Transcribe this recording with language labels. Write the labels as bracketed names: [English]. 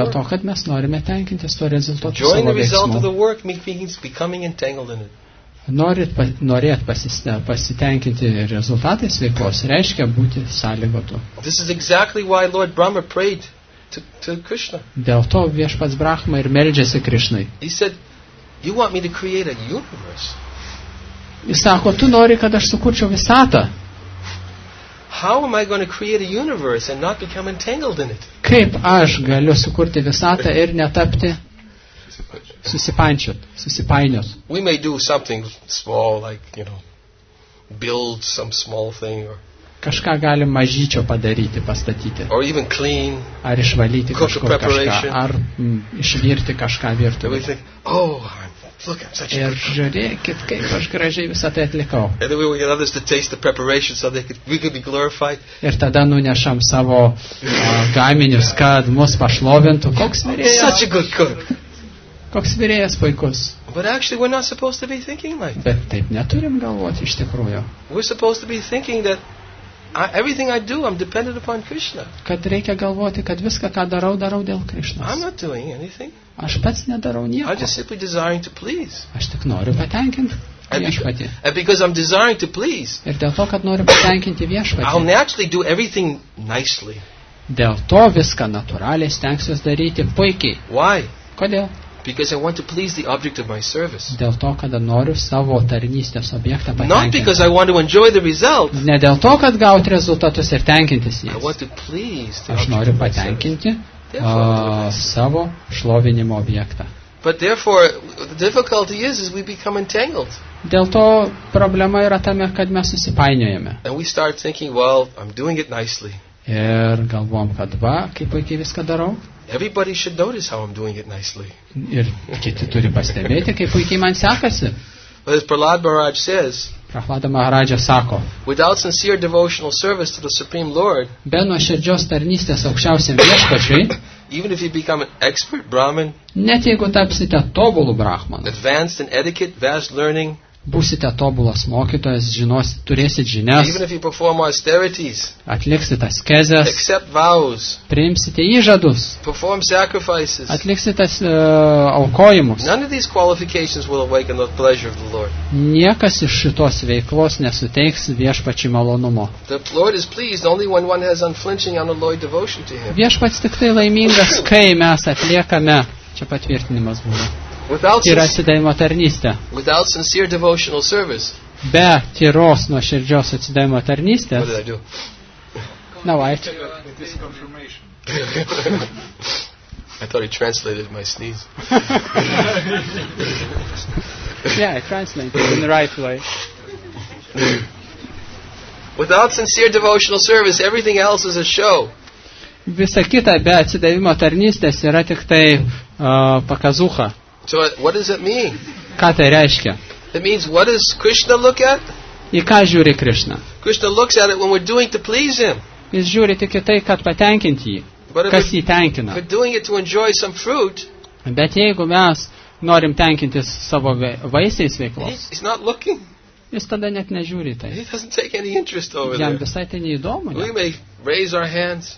[Lithuanian] Dėl to, kad mes norime tenkintis tuo rezultatu savo veiksmu. [English] Enjoying the result of the work means becoming entangled in it. [Lithuanian] Norėt pasitenkinti rezultatais veiklos reiškia būti sąlygotu. [English] This is exactly why Lord Brahma prayed to Krishna. [Lithuanian] Dėl to viešpats Brahma ir meldžiasi Krishnai. [English] He said, you want me to create a universe. [Lithuanian] Jis sako, tu nori, kad aš sukurčiau visatą. [English] How am I going to create a universe and not become entangled in it? [Lithuanian] Kaip aš galiu sukurti visatą ir netapti Susipainčiot. [English] We may do something small, like, you know, build some small thing or [Lithuanian] kažką galim mažyčio padaryti, pastatyti. [English] Or even clean, [Lithuanian] ar išvalyti kažkur kažką, ar išvirti kažką virtuvėje. [English] We think, oh, look, I'm such a [Lithuanian] ir žiūrėkit, kaip aš gražiai visą tai atlikau. [English] And then we get others to taste the preparation so they could, we could be glorified. [Lithuanian] Ir tada nunešam savo gaminius, kad mus pašlovintų. Koks virėjas. [English] Such a good cook. [Lithuanian] Koks virėjas puikus. [English] But actually we're not supposed to be thinking like that. [Lithuanian] Bet taip neturim galvoti iš tikrųjų. [English] We're supposed to be thinking that everything I do, I'm dependent upon Krishna. [Lithuanian] Kad reikia galvoti, kad viską, ką darau, darau dėl Krishnas. [English] I'm not doing anything. [Lithuanian] Aš pats nedarau nieko. [English] I'm just simply desiring to please. [Lithuanian] Aš tik noriu patenkinti viešpatį. [English] And because I'm desiring to please. [Lithuanian] Ir dėl to, kad noriu patenkinti viešpatį. [English] I'll naturally do everything nicely. [Lithuanian] Dėl to viską natūraliai stengsiuos daryti puikiai. [English] Why? [Lithuanian] Kodėl? [English] Because I want to please the object of my service. [Lithuanian] Dėl to, kad noriu savo tarnystės objektą patenkinti. [English] Not because I want to enjoy the result. [Lithuanian] Ne dėl to, kad gaut rezultatus ir tenkintis jais. [English] I want to please the [Lithuanian] aš noriu patenkinti savo šlovinimo objektą. [English] But therefore, the difficulty is we become entangled. [Lithuanian] Dėl to problema yra tame, kad mes susipainiojame. [English] And we start thinking, well, I'm doing it nicely. [Lithuanian] Ir galvom, kad va, kaip puikiai viską darau. [English] Everybody should notice how I'm doing it nicely. [Lithuanian] Ir kiti turi pastebėti, kaip puikiai man sekasi. [English] But as Prahlad Maharaj says, [Lithuanian] Prahlada Maharaja sako, [English] without sincere devotional service to the Supreme Lord, [Lithuanian] be nuoširdžios tarnystės aukščiausiam viešpačiui, [English] even if you become an expert Brahmin, [Lithuanian] net jeigu tapsite tobulų brahmanu, [English] advanced in etiquette, vast learning, [Lithuanian] būsite tobulas mokytojas, žinosit, turėsit žinias, [English] even if you perform austerities, [Lithuanian] atliksit askezes, [English] accept vows, [Lithuanian] priimsite įžadus, [English] perform sacrifices, [Lithuanian] atliksit aukojimus, [English] none of these qualifications will awaken the pleasure of the Lord. [Lithuanian] Niekas iš šitos veiklos nesuteiks viešpačiui malonumo. [English] The Lord is pleased only when one has unflinching unalloyed devotion to him. [Lithuanian] Viešpats tik tai laimingas, kai mes atliekame, čia patvirtinimas buvo, tyra atsidavimo tarnystė. [English] Without sincere devotional service. [Lithuanian] Be tyros nuo širdžios atsidavimo tarnystės. [English] What did I do? Now I... I thought he translated my sneeze. Yeah, I translated in the right way. Without sincere devotional service, everything else is a show. [Lithuanian] Visa kita be atsidavimo tarnystės yra tik tai pakazucha. [English] So what does it mean? [Lithuanian] Ką tai reiškia? [English] It means what does Krishna look at? [Lithuanian] Į ką žiūri Krishna? [English] Krishna looks at it when we're doing to please him. [Lithuanian] Jis žiūri tik į tai, kad patenkinti jį. Kas jį tenkina? [English] But doing it to enjoy some fruit. [Lithuanian] Bet jeigu mes norim tenkintis savo vaisiais veiklos. [English] He's not looking. [Lithuanian] Jis tada net nežiūri tai. [English] He doesn't take any interest over there. [Lithuanian] Jam visai tai neįdomu. [English] We may raise our hands.